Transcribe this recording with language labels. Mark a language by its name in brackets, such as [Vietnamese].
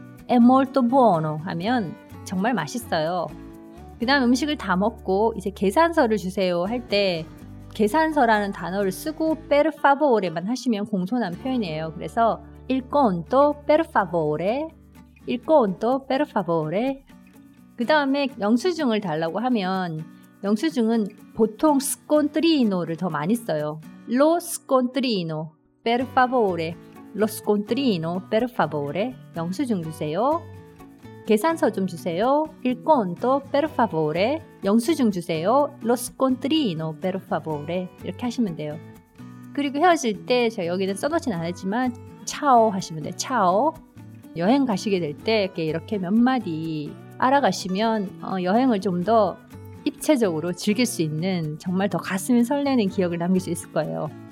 [Italian] È molto buono [Korean] 하면 정말 맛있어요. 그 다음 음식을 다 먹고 이제 계산서를 주세요 할 때 계산서라는 단어를 쓰고 [Italian] per favore [Korean] 만 하시면 공손한 표현이에요. 그래서 [Italian] il conto per favore [Korean] il conto per favore 그 다음에 영수증을 달라고 하면 영수증은 보통 scontrino를 더 많이 써요. [Italian] lo scontrino per favore lo scontrino per favore [Korean] 영수증 주세요. 계산서 좀 주세요. [Italian] Il conto per favore. [Korean] 영수증 주세요. [Italian] Lo scontrino per favore. [Korean] 이렇게 하시면 돼요. 그리고 헤어질 때 제가 여기는 써놓진 않았지만 [Italian] ciao [Korean] 하시면 돼요. [Italian] ciao. [Korean] 여행 가시게 될 때 이렇게 몇 마디 알아가시면 여행을 좀 더 입체적으로 즐길 수 있는 정말 더 가슴이 설레는 기억을 남길 수 있을 거예요.